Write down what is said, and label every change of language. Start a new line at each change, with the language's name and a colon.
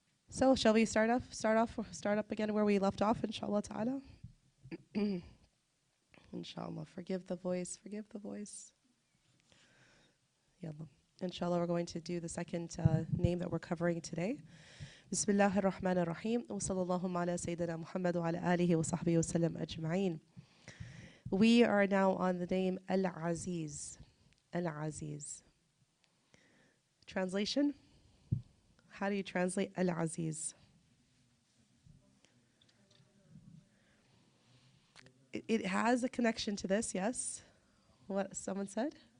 English: So shall we start up again where we left off, inshallah ta'ala? Inshallah. Forgive the voice. Yalla. Inshallah, we're going to do the second name that we're covering today.
Arabic: بسم الله الرحمن الرحيم وصلى اللهم على سيدنا محمد وعلى آله وصحبه وسلم أجمعين.
English: We are now on the name Al-Aziz. Al-Aziz. Translation? How do you translate Al-Aziz? It has a connection to this, yes? What someone said?